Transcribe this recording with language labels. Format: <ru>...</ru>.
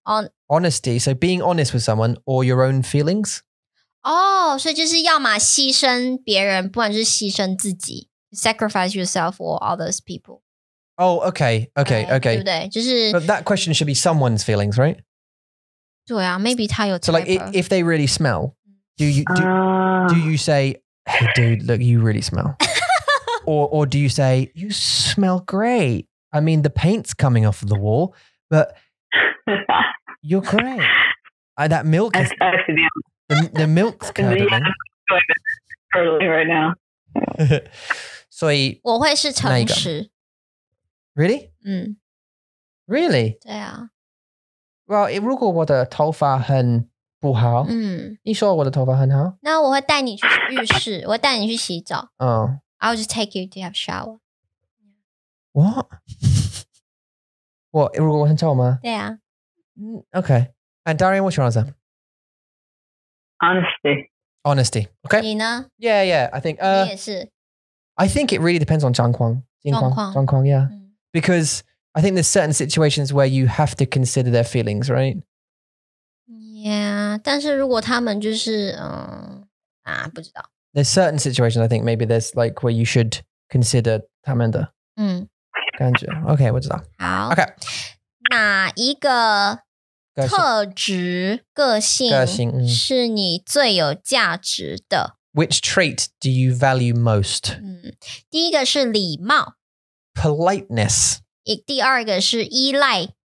<en>Honesty, so being honest with someone or your own feelings?</en> <zh>哦、所以就是要么牺牲别人不管是牺牲自己。</zh> <en>Sacrifice yourself or others people. Oh, okay.</en> <zh>对不对？就是</zh> <en>But that question should be someone's feelings, right?</en> <zh>对啊 maybe 他有</zh> <en>So like, if they really smell, do you say, hey, dude, look, you really smell? or do you say, you smell great. I mean, the paint's coming off of the wall, but you're great. That milk is... the milk's curdling. Curdling right now.</en> <zh>所以我会是诚实。</zh> <en>Really? Really?</en> <zh>对啊。 Well, 如果我的头发很不好,你说我的头发很好? 那我会带你去浴室,我会带你去洗澡。</zh> <en>I'll just take you to have a shower.</en> <zh>What? 如果我很臭吗? 对啊。</zh> <en>Okay. And Darian, what's your answer? Honesty. Okay.</en> <zh>你呢?</zh> <en>Yeah, I think.</en> <zh>你也是。</zh> <en>I think it really depends on 状况 yeah. Because I think there's certain situations where you have to consider their feelings, right?</en> <zh>Yeah, 但是如果他们就是不知道。</zh> <en>There's certain situations, I think, maybe there's like where you should consider</en> <zh>他们的感觉。 Okay, 我知道。好。</zh> <en>Okay.</en> <zh>哪一个特质、个性是你最有价值的?</zh> <en>Which trait do you value most?</en> <zh>第一个是礼貌。</zh> <en>Politeness.</en> <zh>第二个是依赖。</zh>